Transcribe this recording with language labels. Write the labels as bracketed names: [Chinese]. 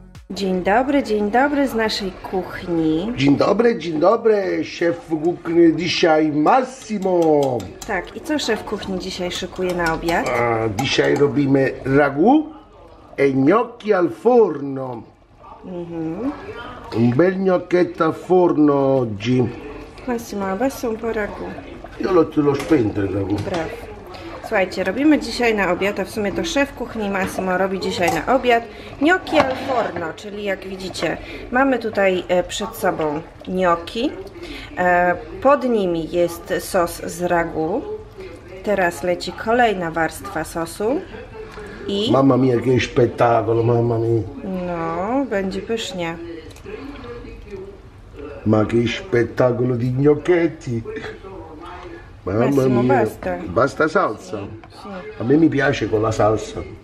[Polish] Dzień dobry z naszej kuchni. Dzień dobry, szef kuchni dzisiaj Massimo. Tak, i co szef kuchni dzisiaj szykuje na obiad? Dzisiaj robimy ragù e gnocchi al forno. [Italian] Mhm. Un bel gnocchetto al forno oggi. Massimo, abbasso un po' ragù. Io lo spento il ragù. Bravo. [Polish] Słuchajcie, robimy dzisiaj na obiad, a w sumie to szef kuchni Massimo robi dzisiaj na obiad gnocchi al forno, czyli jak widzicie, mamy tutaj przed sobą gnocchi, pod nimi jest sos z ragu, teraz leci kolejna warstwa sosu i... [Italian] Mamma mia, che spettacolo, mamma mia! [Polish] No, będzie pysznie. [Italian] Ma che spettacolo di gnocchetti! Mamma Massimo, mia. Basta salsa? Sì. A me mi piace con la salsa.